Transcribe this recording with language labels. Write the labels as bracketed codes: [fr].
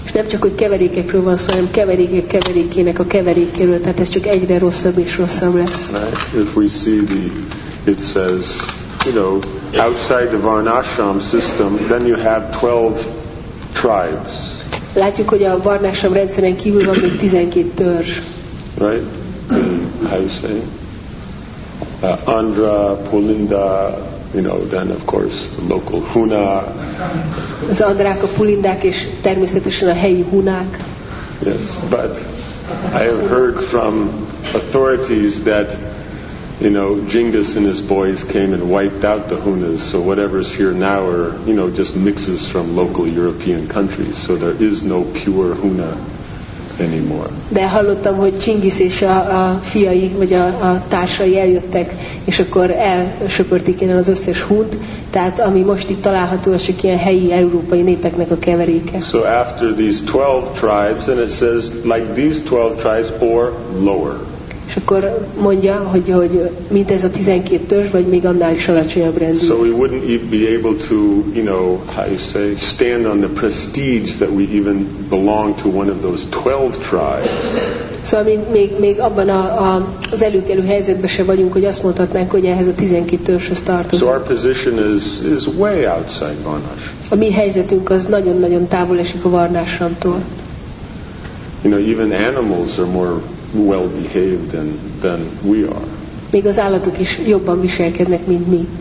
[hu] És nem csak, hogy keverékekről van szó, hanem keverékek keverékének a keverékéről, tehát ez csak egyre rosszabb és rosszabb lesz. [en] Right? If we see the, it says, you know, outside the Varnashram system, then you have 12 tribes. [hu] Látjuk, hogy a Varnashram rendszeren kívül van még 12 törzs. [en] Right? How you say? Andhra, Pulinda, you know, then of course the local Huna. [hu] Az andrák, a pulindák és természetesen a helyi hunák. [en] Yes, but I have heard from authorities that, you know, Genghis and his boys came and wiped out the Hunas, so whatever's here now are, you know, just mixes from local European countries, so there is no pure Huna anymore. [hu] De hallottam, hogy Genghis és a fiai, vagy a társai eljöttek, és akkor elsöpörték innen az összes hunt, tehát ami most itt található, az csak ilyen helyi európai népeknek a keveréke. [en] So after these 12 tribes, and it says, like these 12 tribes or lower. [hu] És akkor mondja, hogy mint ez a 12 törzs, vagy még annál is alacsonyabb rendű. [en] So we wouldn't be able to, you know, how you say, stand on the prestige that we even belong to one of those 12 tribes. [hu] Szóval még abban az előkelő helyzetben sem vagyunk, hogy azt mondhatnánk, hogy ehhez a 12 törzshöz tartozunk. [en] So our position is way outside Varnashram. [hu] A mi helyzetünk az nagyon-nagyon távol esik a Varnashramtól. [en] You know, even animals are more well behaved than we are. [hu] Még az állatok is jobban viselkednek, mint mi.